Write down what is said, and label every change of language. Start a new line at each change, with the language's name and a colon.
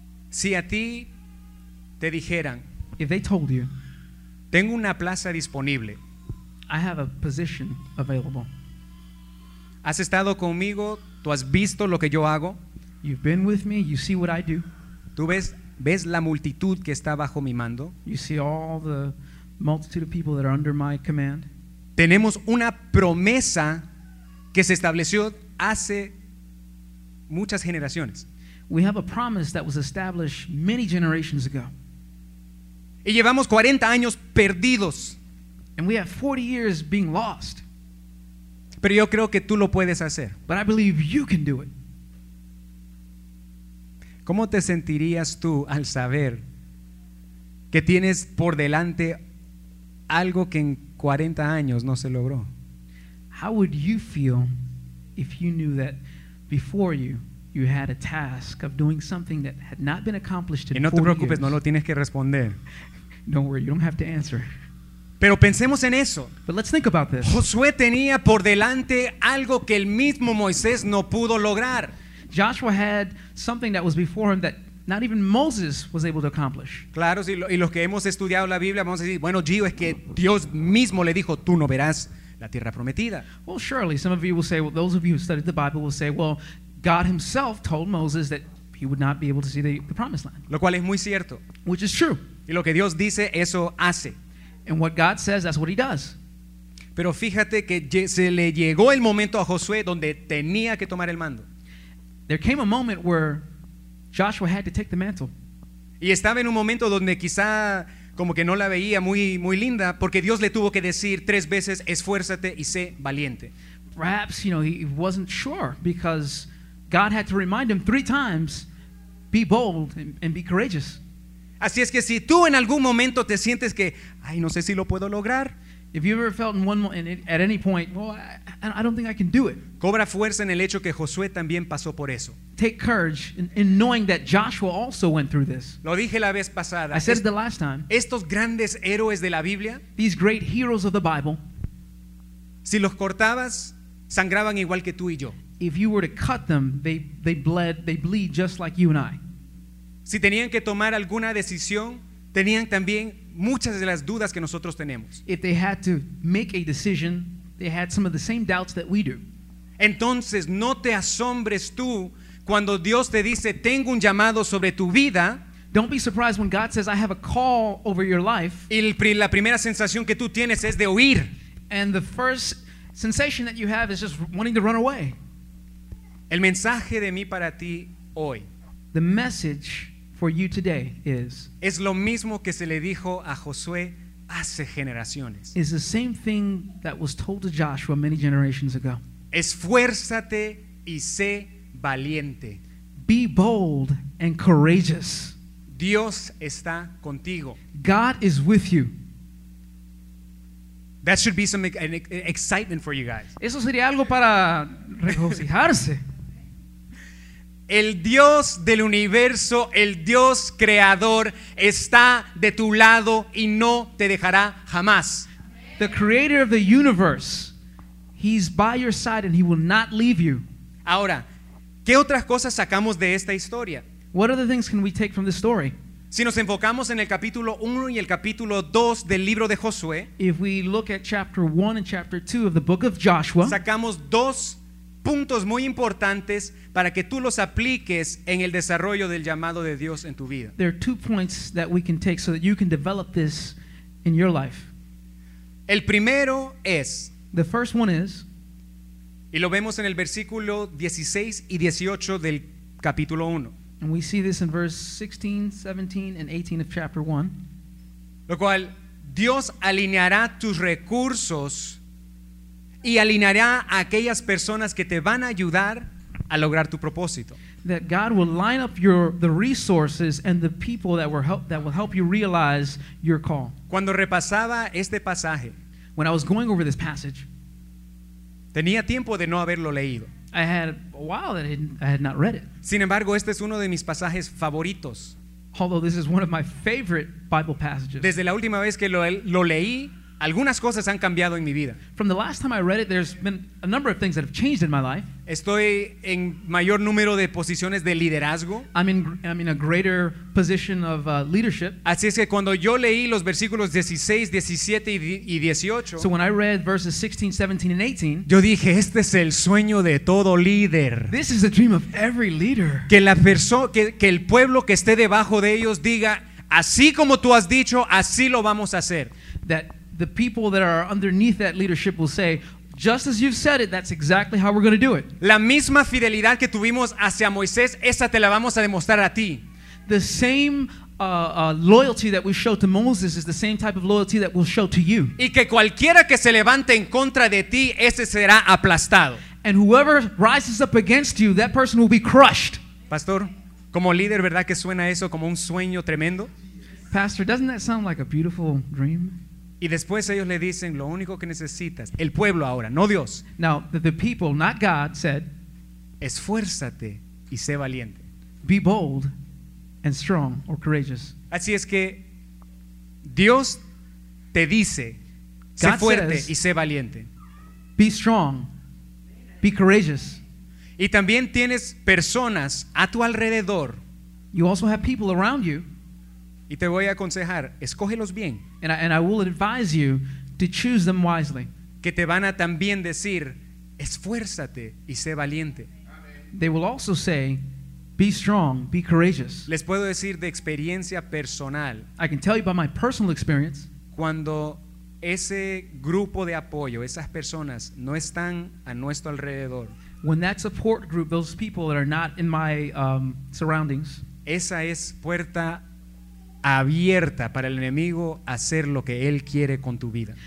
Spanish: Si a ti te dijeran,
English: if they told you,
Spanish: tengo una plaza disponible.
English: I have a position available.
Spanish: Has estado conmigo, tú has visto lo que yo hago.
English: You've been with me, you see what I do.
Spanish: Tú ves la multitud que está bajo mi mando.
English: You see all the multitude of people that are under my command.
Spanish: Tenemos una promesa que se estableció hace muchas generaciones.
English: We have a promise that was established many generations ago.
Spanish: Y llevamos 40 años perdidos.
English: And we have 40 years being lost.
Spanish: Pero yo creo que tú lo puedes hacer.
English: But I believe you can do it.
Spanish: ¿Cómo te sentirías tú al saber que tienes por delante algo que en 40 años no se logró?
English: How would you feel if you knew that before you had a task of doing something that had not been accomplished in 40 years?
Spanish: Y no te preocupes, no lo tienes que responder.
English: Don't worry, you don't have to answer.
Spanish: Pero pensemos en eso.
English: But let's think about this.
Spanish: Josué tenía por delante algo que el mismo Moisés no pudo lograr.
English: Joshua had something that was before him that not even Moses was able to accomplish.
Spanish: Claro, y los que hemos estudiado la Biblia vamos a decir, bueno, Gio, es que Dios mismo le dijo, tú no verás la tierra prometida.
English: Well, surely some of you will say, well, those of you who studied the Bible will say, well, God himself told Moses that he would not be able to see the promised land.
Spanish: Lo cual es muy cierto.
English: Which is true.
Spanish: Y lo que Dios dice, eso hace.
English: And what God says, that's what he does.
Spanish: Pero fíjate que se le llegó el momento a Josué donde tenía que tomar el mando.
English: There came a moment where Joshua had to take the mantle.
Spanish: Y estaba en un momento donde quizá como que no la veía muy, muy linda, porque Dios le tuvo que decir tres veces, esfuérzate y sé valiente.
English: Perhaps, you know, he wasn't sure because God had to remind him three times, be bold and be courageous.
Spanish: Así es que si tú en algún momento te sientes que, ay, no sé si lo puedo lograr.
English: If you ever felt in one moment, at any point, well, I don't think I can do it.
Spanish: Cobra fuerza en el hecho que Josué también pasó por eso.
English: Take courage in knowing that Joshua also went through this.
Spanish: Lo dije la vez pasada.
English: I said it the last time.
Spanish: Estos grandes héroes de la Biblia,
English: these great heroes of the Bible,
Spanish: si los cortabas, sangraban igual que tú y yo.
English: If you were to cut them, they bleed just like you and I.
Spanish: Si tenían que tomar alguna decisión, tenían también muchas de las dudas que nosotros tenemos.
English: If they had to make a decision, they had some of the same doubts that we do.
Spanish: Entonces, no te asombres tú cuando Dios te dice, tengo un llamado sobre tu vida.
English: Don't be surprised when God says, I have a call over your life.
Spanish: Y la primera sensación que tú tienes es de huir.
English: And the first sensation that you have is just wanting to run away.
Spanish: El mensaje de mí para ti hoy.
English: The message for you today is.
Spanish: Es lo mismo que se le dijo a Josué hace generaciones.
English: Is the same thing that was told to Joshua many generations ago.
Spanish: Esfuérzate y sé valiente.
English: Be bold and courageous.
Spanish: Dios está contigo.
English: God is with you. That should be some excitement for you guys.
Spanish: Eso sería algo para regocijarse. El Dios del universo, el Dios creador, está de tu lado y no te dejará jamás.
English: The creator of the universe, he's by your side and he will not leave you.
Spanish: Ahora, ¿qué otras cosas sacamos de esta historia?
English: What other things can we take from this story?
Spanish: Si nos enfocamos en el capítulo 1 y el capítulo 2 del libro de Josué,
English: if we look at chapter 1 and chapter 2 of the book of Joshua,
Spanish: sacamos dos puntos muy importantes para que tú los apliques en el desarrollo del llamado de Dios en tu vida.
English: There are two points that we can take so that you can develop this in your life.
Spanish: El primero es,
English: the first one is,
Spanish: y lo vemos en el versículo 16 y 18 del capítulo 1.
English: And we see this in verse 16, 17, and 18 of chapter 1.
Spanish: Lo cual, Dios alineará tus recursos y alineará a aquellas personas que te van a ayudar a lograr tu propósito.
English: That God will line up the resources and the people that will help you realize your call.
Spanish: Cuando repasaba este pasaje,
English: when I was going over this passage,
Spanish: tenía tiempo de no haberlo leído.
English: I had a while that I had not read it.
Spanish: Sin embargo, este es uno de mis pasajes favoritos.
English: Although this is one of my favorite Bible passages.
Spanish: Desde la última vez que lo leí, algunas cosas han cambiado en mi vida.
English: From the last time I read it, there's been a number of things that have changed in my life.
Spanish: Estoy en mayor número de posiciones de liderazgo.
English: I'm in a greater position of leadership.
Spanish: Así es que cuando yo leí los versículos 16, 17 y 18,
English: so when I read verses 16, 17 and 18,
Spanish: yo dije, este es el sueño de todo líder.
English: This is the dream of every leader.
Spanish: Que la persona que el pueblo que esté debajo de ellos diga, así como tú has dicho, así lo vamos a hacer.
English: That the people that are underneath that leadership will say, just as you've said it, that's exactly how we're going to do it.
Spanish: La misma fidelidad que tuvimos hacia Moisés, esa te la vamos a demostrar a ti.
English: The same loyalty that we show to Moses is the same type of loyalty that we'll show to you.
Spanish: Y que cualquiera que se levante en contra de ti, ese será aplastado.
English: And whoever rises up against you, that person will be crushed.
Spanish: Pastor, como líder, ¿verdad que suena eso como un sueño tremendo?
English: Pastor, doesn't that sound like a beautiful dream?
Spanish: Y después ellos le dicen, lo único que necesitas, el pueblo ahora, no Dios.
English: Now, the people, not God, said,
Spanish: esfuérzate y sé valiente.
English: Be bold and strong or courageous.
Spanish: Así es que Dios te dice, sé fuerte y sé valiente.
English: Be strong, be courageous.
Spanish: Y también tienes personas a tu alrededor.
English: You also have people around you.
Spanish: Y te voy a aconsejar, escógelos bien.
English: And I will advise you to choose them wisely.
Spanish: Que te van a también decir, esfuérzate y sé valiente.
English: They will also say, be strong, be courageous.
Spanish: Les puedo decir de experiencia personal.
English: I can tell you by my personal experience.
Spanish: Cuando ese grupo de apoyo, esas personas no están a nuestro alrededor.
English: When that support group, those people that are not in my surroundings.
Spanish: Esa es puerta abierta para el enemigo hacer lo que él quiere con tu vida.